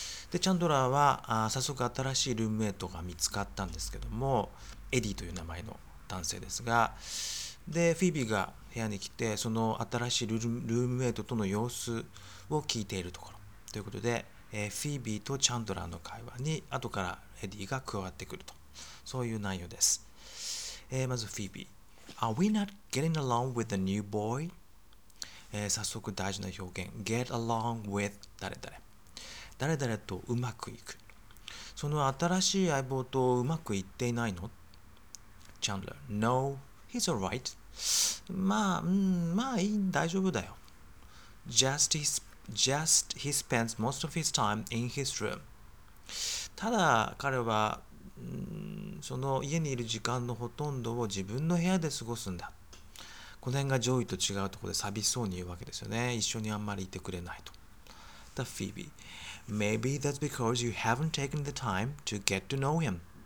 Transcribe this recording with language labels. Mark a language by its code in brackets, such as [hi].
[ja] でチャンドラーは早速新しいルームメイトが見つかったんですけども、エディという名前の男性ですが、でフィービーが部屋に来てその新しいルームメイトとの様子を聞いているところということで、フィービーとチャンドラーの会話に後からエディが加わってくると、そういう内容です。まずフィービー、 [en] Are we not getting along with the new boy? [ja] 早速大事な表現、 [en] get along with [ja] 誰々、誰々とうまくいく、その新しい相棒とうまくいっていないの。チャンドラー、 [en] No, he's alright。 [ja] まあ、まあいい、大丈夫だよ。 Just he spends most of his time in his room。ただ彼は、その家にいる時間のほとんどを自分の部屋で過ごすんだ。この辺がジョイと違うところで寂しそうに言うわけですよね。一緒にあんまりいてくれないと。 [en] The Phoebe, maybe that's because you haven't taken the time to get to know him.